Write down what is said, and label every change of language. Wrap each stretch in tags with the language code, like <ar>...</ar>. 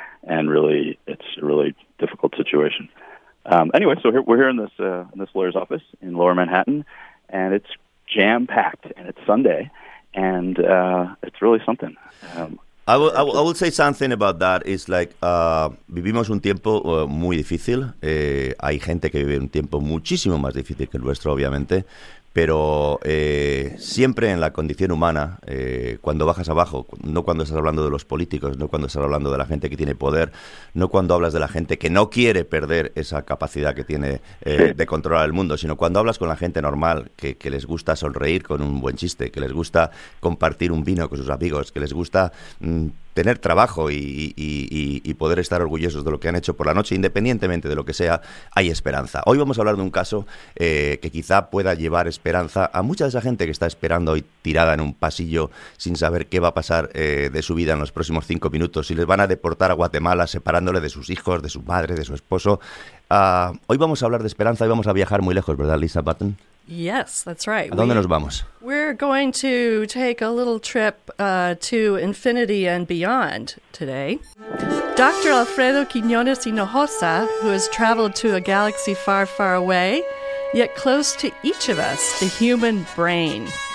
<en>And really, it's a really difficult situation. Anyway, so we're here in this lawyer's office in Lower Manhattan, and it's jam-packed, and it's Sunday, and it's really something. I will say something about that. It's like,</en> <es>vivimos un tiempo muy difícil. Hay gente que vive un tiempo muchísimo más difícil que el nuestro, obviamente. Pero siempre en la condición humana, cuando bajas abajo, no cuando estás hablando de los políticos, no cuando estás hablando de la gente que tiene poder, no cuando hablas de la gente que no quiere perder esa capacidad que tiene de controlar el mundo, sino cuando hablas con la gente normal, que les gusta sonreír con un buen chiste, que les gusta compartir un vino con sus amigos, que les gusta tener trabajo y poder estar orgullosos de lo que han hecho por la noche, independientemente de lo que sea, hay esperanza. Hoy vamos a hablar de un caso que quizá pueda llevar esperanza a mucha de esa gente que está esperando hoy tirada en un pasillo sin saber qué va a pasar de su vida en los próximos 5 minutos, si les van a deportar a Guatemala separándole de sus hijos, de su madre, de su esposo. Hoy vamos a hablar de esperanza y vamos a viajar muy lejos, ¿verdad, Lisa Button?</es> <en>Yes, that's right.</en> <es>¿A dónde nos vamos?</es> <en>We're going to take a little trip to infinity and beyond today. Dr. Alfredo Quiñones Hinojosa, who has traveled to a galaxy far, far away, yet close to each of us, the human brain.</en>